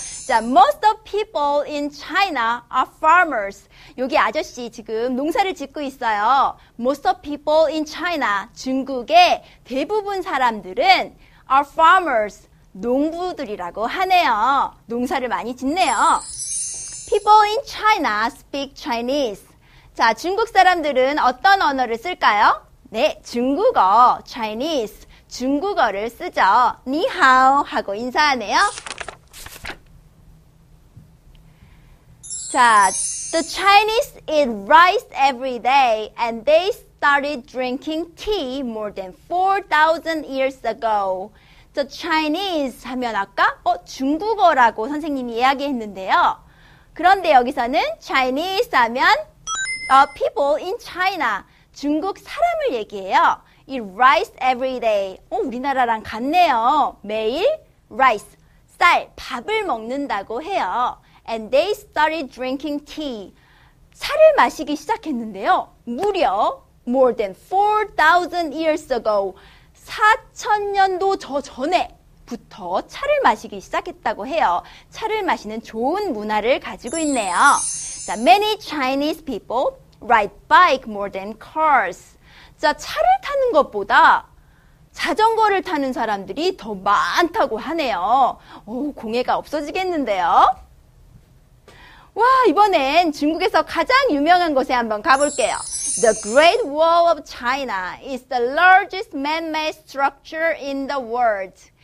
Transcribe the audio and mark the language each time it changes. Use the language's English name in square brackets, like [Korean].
[English] 자, most of people in China are farmers. [Korean] 여기 아저씨 지금 농사를 짓고 있어요. [English] Most of people in China, [Korean] 중국의 대부분 사람들은 [English] are farmers, [Korean] 농부들이라고 하네요. 농사를 많이 짓네요. [English] People in China speak Chinese. [Korean] 자, 중국 사람들은 어떤 언어를 쓸까요? 네, 중국어, Chinese. 중국어를 쓰죠. 니하오 하고 인사하네요. [English] 자, the Chinese eat rice every day and they started drinking tea more than 4,000 years ago. [Korean] The Chinese 하면 아까 중국어라고 선생님이 이야기했는데요. 그런데 여기서는 Chinese 하면 [English] people in China, [Korean] 중국 사람을 얘기해요. [English] Eat rice every day. [Korean] 우리나라랑 같네요. 매일 rice, 쌀, 밥을 먹는다고 해요. [English] And they started drinking tea. [Korean] 차를 마시기 시작했는데요. [English] 무려 more than 4,000 years ago. [Korean] 4,000년도 저 전에부터 차를 마시기 시작했다고 해요. 차를 마시는 좋은 문화를 가지고 있네요. [English] So many Chinese people ride bike more than cars. [Korean] 자, 차를 타는 것보다 자전거를 타는 사람들이 더 많다고 하네요. 오, 공해가 없어지겠는데요. 와, 이번엔 중국에서 가장 유명한 곳에 한번 가볼게요. [English] The Great Wall of China is the largest man-made structure in the world.